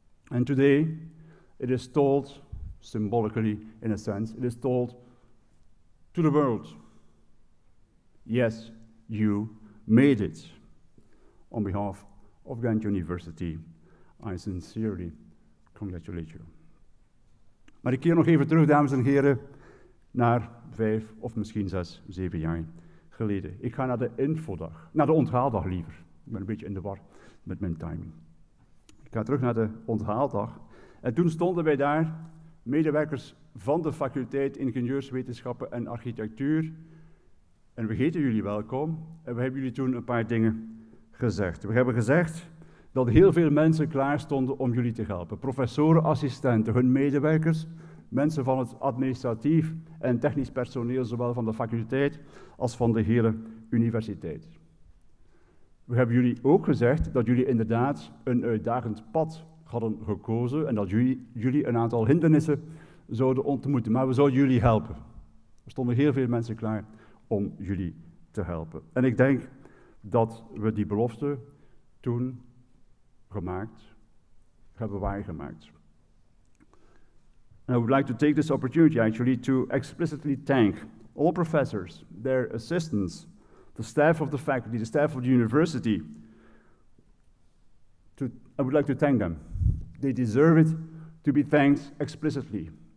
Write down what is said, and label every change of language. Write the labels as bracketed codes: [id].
[en] And today, it is told, symbolically in a sense, it is told to the world. Yes, you made it. On behalf of Ghent University, I sincerely congratulate you. [nl] Maar ik keer nog even terug, dames en heren, naar 5 of misschien 6, 7 jaar geleden. Ik ga naar de infodag, naar de onthaaldag liever. Ik ben een beetje in de war met mijn timing. Ik ga terug naar de onthaaldag. En toen stonden wij daar, medewerkers van de faculteit Ingenieurswetenschappen en Architectuur. En we heten jullie welkom. En we hebben jullie toen een paar dingen gezegd. We hebben gezegd dat heel veel mensen klaar stonden om jullie te helpen. Professoren, assistenten, hun medewerkers, mensen van het administratief en technisch personeel, zowel van de faculteit als van de hele universiteit. We hebben jullie ook gezegd dat jullie inderdaad een uitdagend pad hadden gekozen en dat jullie een aantal hindernissen zouden ontmoeten. Maar we zouden jullie helpen. Er stonden heel veel mensen klaar om jullie te helpen. En ik denk dat we die belofte toen gemaakt, hebben waargemaakt. [en] And I would like to take this opportunity actually to explicitly thank all professors, their assistants, the staff of the faculty, the staff of the university. I would like to thank them. They deserve it to be thanked explicitly.